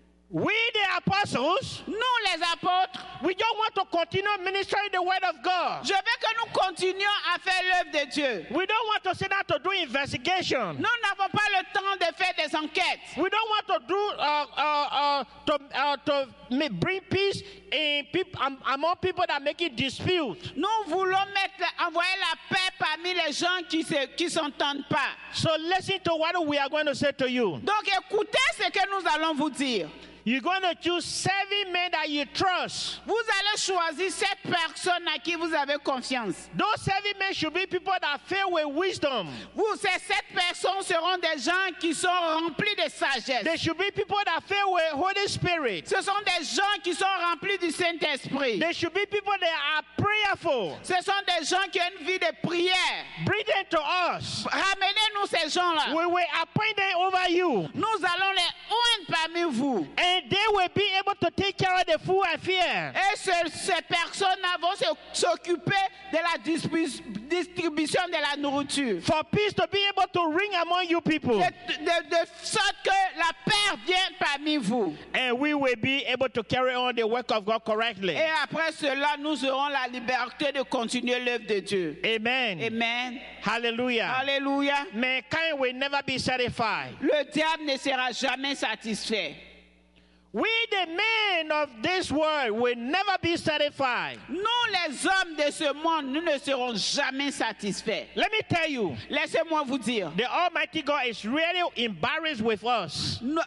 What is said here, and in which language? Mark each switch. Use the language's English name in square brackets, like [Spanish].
[English] We the apostles, [French] nous les apôtres, [English] we don't want to continue ministering the word of God. [French] Je veux que nous continuions à faire l'œuvre de Dieu. [English] We don't want to sit down to do investigation. [French] Nous n'avons pas le temps de faire des enquêtes. [English] We don't want to do bring peace in people, among people that make it dispute. [French] Nous voulons envoyer la paix parmi les gens qui s'entendent pas. [English] So listen to what we are going to say to you. [French] Donc écoutez ce que nous allons vous dire. [English] You're going to choose 7 men that you trust. [French] Vous allez choisir 7 personnes à qui vous avez confiance. [English] Those 7 men should be people that are filled with wisdom. [French] Ces 7 personnes seront des gens qui sont remplis de sagesse. [English] They should be people that are filled with Holy Spirit. [French] Ce sont des gens qui sont remplis du Saint-Esprit. [English] They should be people that are prayerful. [French] Ce sont des gens qui ont une vie de prière. [English] Bring them to us. [French] Ramenez-nous ces gens-là. [English] We will appoint them over you. [French] Nous allons les oindre parmi vous. [English] And they will be able to take care of the food and fear. [French] Et ces personnes vont s'occuper de la distribution de la nourriture. [English] For peace to be able to ring among you people. [French] De sorte que la paix vienne parmi vous. [English] And we will be able to carry on the work of God correctly. [French] Et après cela, nous aurons la liberté de continuer l'œuvre de Dieu. [English] Amen. [French] Amen. [English] Hallelujah. [French] Hallelujah. [English] Mankind will never be satisfied. [French] Le diable ne sera jamais satisfait. [English] We the men of this world will never be satisfied. [French] Nous les hommes de ce monde, nous ne serons jamais satisfaits. [English] Let me tell you. [French] Laissez-moi vous dire. [English] The Almighty God is really embarrassed with us.